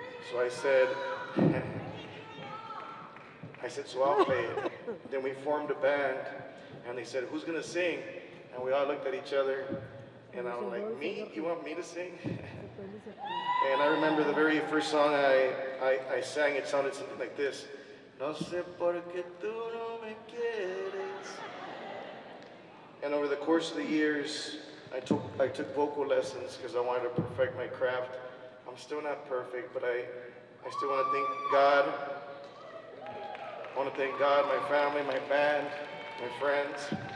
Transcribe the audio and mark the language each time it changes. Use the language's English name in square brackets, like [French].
[English] So I said, I'll play it. And then we formed a band, and they said, who's going to sing? And we all looked at each other, and I'm like, me? You want me to sing? And I remember the very first song I sang, it sounded something like this. [Spanish] No sé por qué tú no me quieres. [English] And over the course of the years, I took vocal lessons because I wanted to perfect my craft. I'm still not perfect, but I still want to thank God. I want to thank God, my family, my band, my friends.